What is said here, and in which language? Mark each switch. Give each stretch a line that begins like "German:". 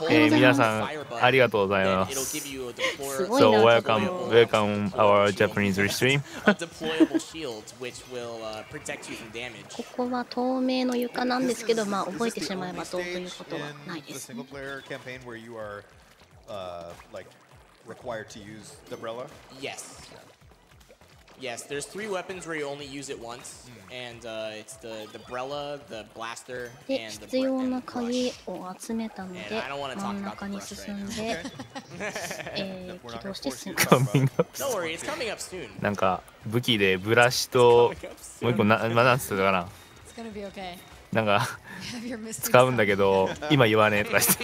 Japanese: 皆さん、ありがとうございます。すごいな。
English: So, welcome our Japanese restream.
Japanese: ここは透明の床なんですけど、まあ、覚えてしまえばどうということはないです。
English: single player campaign where you are, like, required to use the umbrella? Yes. Yes, there's three weapons where you only use it once, and it's the Brella, the Blaster, and the Brush.
Japanese: で、必要な鍵を集めたので、真ん中に進んで、起動して進
English: む。Coming up soon. Don't worry, it's coming up soon.
Japanese: なんか武器でブラシと、もう一個な、まあ、なんつうかな。
English: It's gonna be okay.
Japanese: なんか使うんだけど、今言わねえとかして。